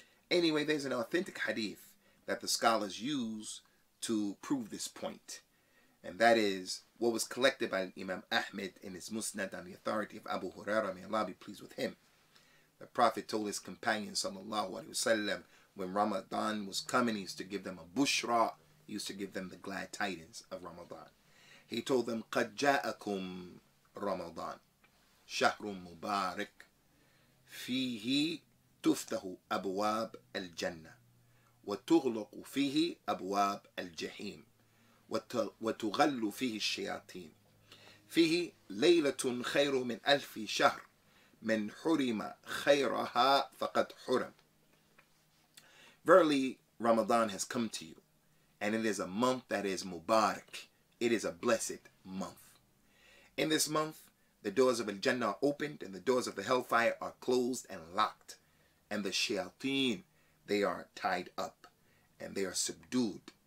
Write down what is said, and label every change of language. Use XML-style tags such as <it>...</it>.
<en>Anyway, there's an authentic hadith that the scholars use to prove this point, and that is what was collected by Imam Ahmed in his Musnad on the authority of Abu Huraira, may Allah be pleased with him. The Prophet told his companion sallallahu alaihi wasallam, when Ramadan was coming, he used to give them a bushra, he used to give them the glad tidings of Ramadan. He told them,</en> <ar>قَدْ جَاءَكُمْ رَمَضَان شَهْرٌ مُبَارِكْ فِيهِ تُفْتَهُ أَبْوَابْ الْجَنَّةِ وتغلق فيه أبواب الجحيم وتغل فيه الشياطين فيه ليلة خير من ألف شهر من حرم خيرها فقد حرم.</ar> <en>Verily, Ramadan has come to you, and it is a month that is Mubarak. It is a blessed month. In this month, the doors of Al-Jannah are opened, and the doors of the hellfire are closed and locked, and the shayateen, they are tied up, and they are subdued.</en>